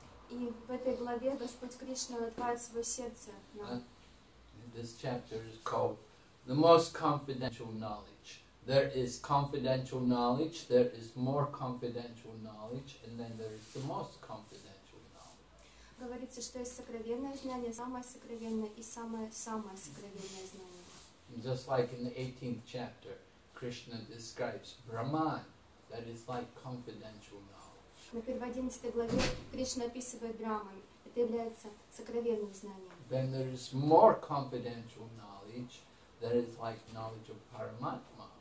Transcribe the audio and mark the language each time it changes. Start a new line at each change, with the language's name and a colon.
Russian: И в этой главе Господь Кришна открывает свое сердце нам.
English: This chapter is called the most confidential knowledge. There is confidential knowledge, there is more confidential knowledge, and then there is the most confidential knowledge.
Russian: Говорится, что есть сокровенное знание, самое сокровенное и самое-самое сокровенное знание.
English: Just like in the 18th chapter, Krishna describes Brahman, that is like confidential knowledge. Then there is more confidential knowledge, that is like knowledge of Paramatma.